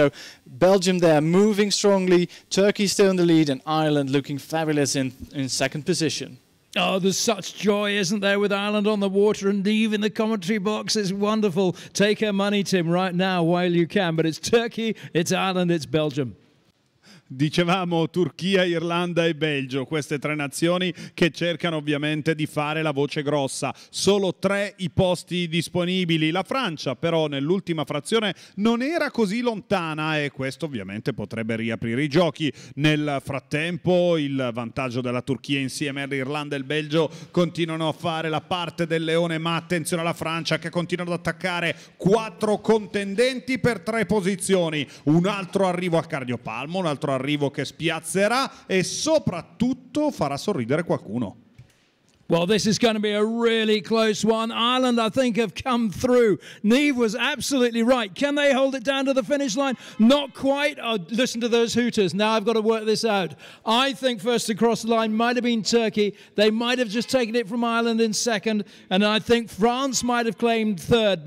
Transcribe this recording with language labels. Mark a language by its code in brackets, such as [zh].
[en] So Belgium there moving strongly, Turkey still in the lead, and Ireland looking fabulous in second position. Oh, there's such joy, isn't there, with Ireland on the water and Eve in the commentary box. It's wonderful. Take her money, Tim, right now while you can. But it's Turkey, it's Ireland, it's Belgium. [it] Dicevamo Turchia, Irlanda e Belgio, queste tre nazioni che cercano ovviamente di fare la voce grossa. Solo tre i posti disponibili. La Francia però nell'ultima frazione non era così lontana e questo ovviamente potrebbe riaprire i giochi. Nel frattempo il vantaggio della Turchia insieme all'Irlanda e il Belgio continuano a fare la parte del leone, ma attenzione alla Francia che continua ad attaccare, quattro contendenti per tre posizioni. Un altro arrivo a cardiopalmo, un altro arrivo che spiazzerà e soprattutto farà sorridere qualcuno. [en] Well, this is going to be a really close one. Ireland, I think, have come through. Niamh was absolutely right. Can they hold it down to the finish line? Not quite. Oh, listen to those hooters. Now I've got to work this out. I think first across the line might have been Turkey. They might have just taken it from Ireland in second. And I think France might have claimed third.